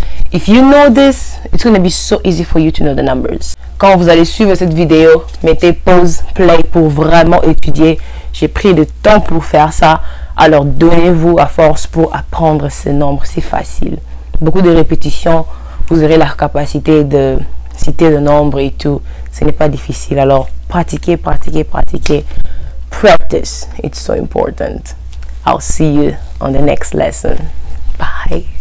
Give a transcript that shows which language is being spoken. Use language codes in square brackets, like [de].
[en] If you know this, it's going to be so easy for you to know the numbers. [fr] Quand vous allez suivre cette vidéo, mettez pause, play pour vraiment étudier. J'ai pris le temps pour faire ça. Alors, donnez-vous à force pour apprendre ce nombre. C'est facile. Beaucoup de répétitions, vous aurez la capacité de citer le nombre et tout. Ce n'est pas difficile. Alors, pratiquez. [en] Practice. It's so important. I'll see you on the next lesson. Bye.